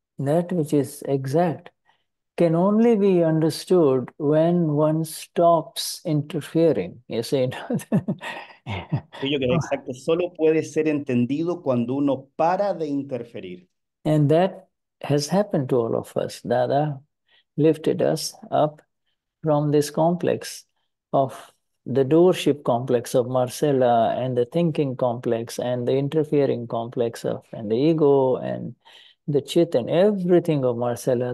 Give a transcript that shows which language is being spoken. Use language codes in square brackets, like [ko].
[en] That which is exact can only be understood when one stops interfering, you see. [es] Aquello que es exacto solo puede ser entendido cuando uno para de interferir. [en] And that has happened to all of us. Dada lifted us up from this complex of the doership complex of Marcella and the thinking complex and the interfering complex of and the ego and the chit and everything of Marcella.